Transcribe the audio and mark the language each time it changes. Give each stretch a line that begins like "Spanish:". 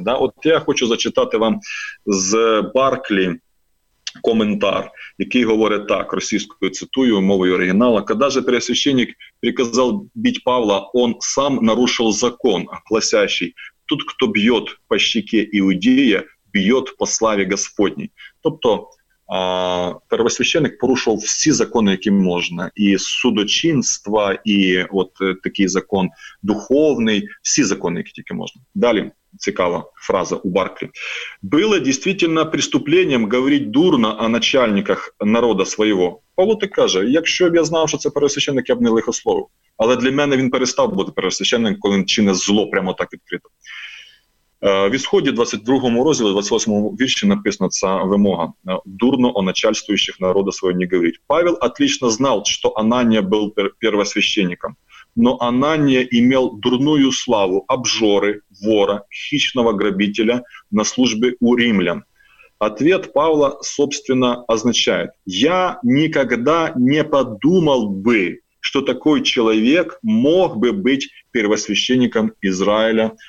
Ukrainian: Да? От я хочу зачитати вам з Барклі коментар, який говорить так, російською цитую, мовою оригінала:
Russian: «Когда же пересвященник приказал бить Павла, он сам нарушил закон, гласящий: тут кто бьет по щеке иудея, бьет по славе Господней».
Ukrainian: Тобто первосвященник порушував всі закони, які можна, і судочинство, і от такий закон духовний, всі закони, які тільки можна. Далі цікава фраза у Барклі:
Russian: «Было действительно преступлением говорить дурно о начальниках народа своего».
Ukrainian: Павло так каже: якщо б я знав, що це пересвященник, я б не лихословив. Але для мене він перестав бути пересвященником, коли він чинить зло прямо так відкрито. В Ісході 22 розділі, 28 вірші написана ця вимога:
Russian: «Дурно о начальствующих народа своего не говорить». Павел отлично
Ukrainian: знав, що Анания був первосвященником.
Russian: Но Анания имел дурную славу обжоры, вора, хищного грабителя на службе у римлян. Ответ Павла, собственно, означает: «Я никогда не подумал бы, что такой человек мог бы быть первосвященником Израиля».